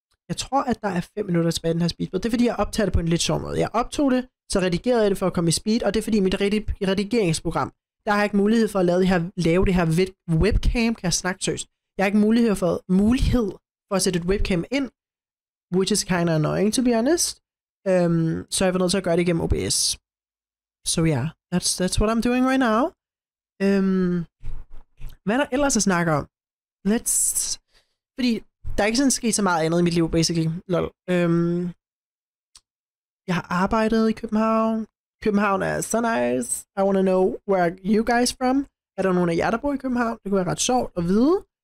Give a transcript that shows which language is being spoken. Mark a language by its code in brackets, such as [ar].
[da] Jeg tror, at der er 5 minutter tilbage i den her speedbuild. Det er, fordi jeg optager det på en lidt sjov måde. Jeg optog det, så redigerede jeg det for at komme i speed. Og det er, fordi mit redigeringsprogram, der har jeg ikke mulighed for at lave det her webcam, kan jeg snakke tøst. Jeg har ikke mulighed for at sætte et webcam ind. [en] Which is kind of annoying, to be honest. [da] Så jeg var nødt til at gøre det igennem OBS. [en] So yeah, that's what I'm doing right now. [da] Hvad er der ellers at snakke om? Fordi der er ikke sådan sket så meget andet i mit liv, basically. Lol. Jeg har arbejdet i København. København er [en] so nice. I wanna know where you guys from. [da] Er der nogen af jer, der bor i København? Det kunne være ret sjovt at vide.